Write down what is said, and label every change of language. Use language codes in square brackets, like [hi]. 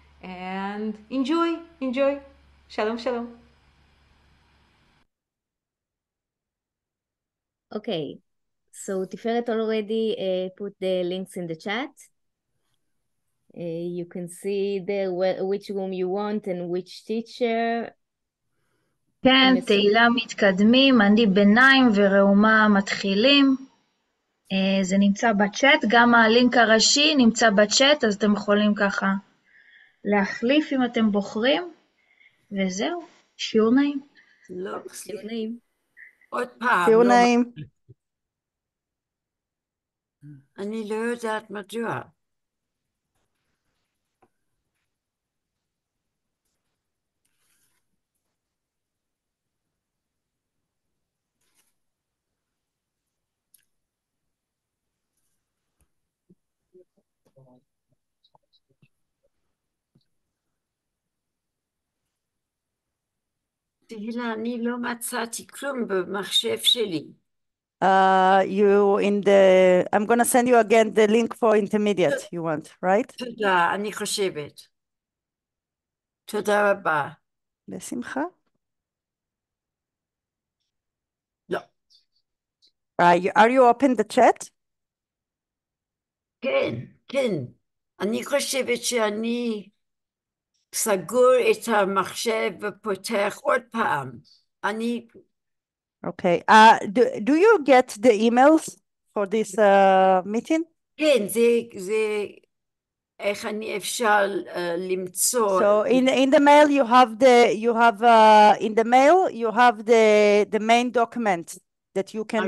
[en] And enjoy. Shalom, shalom. Okay, so Tiferet already put the links in the chat. You can see there which room you want and which teacher. [he] כן, תהילה מתקדמים, אני ביניים ורעומה מתחילים. זה נמצא בצ'אט, גם הלינק הראשי נמצא בצ'אט, אז אתם יכולים ככה להחליף אם אתם בוחרים. וזהו, שיעור נעים. לא, שיעור נעים. עוד פעם. שיעור נעים. אני לא יודעת מדוע. תהילה, אני לא מצאתי כלום במחשב שלי. [en] You in the, I'm going to send you again the link for intermediate you want, right? [he] תודה, אני חושבת. תודה רבה. בשמחה. לא. [en] Are you open the chat? [he] כן, כן. אני חושבת שאני סגור את המחשב ופותח עוד פעם. אני... [en] Okay. Do you get the emails for this meeting? [he] כן, זה איך אני אפשר למצוא. [en] So in the mail you have the you have in the mail you have the main document that you can